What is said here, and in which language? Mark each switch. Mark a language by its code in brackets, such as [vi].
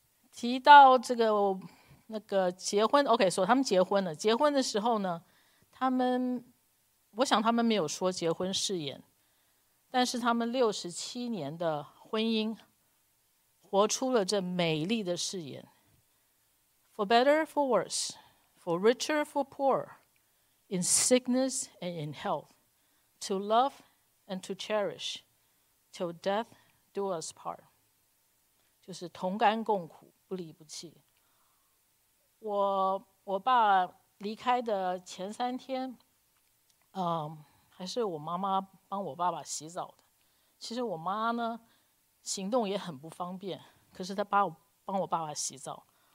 [zh] 提到这个那个结婚 ，OK， 说他们结婚了。结婚的时候呢，他们，我想他们没有说结婚誓言，但是他们67年的婚姻，活出了这美丽的誓言 ， [en] for better for worse， for richer for poor。 In sickness and in health, to love and to cherish, till death do us part. [zh] 就是同甘共苦，不离不弃。我爸离开的前3天，还是我妈妈帮我爸爸洗澡的。其实我妈呢，行动也很不方便，可是她帮我爸爸洗澡。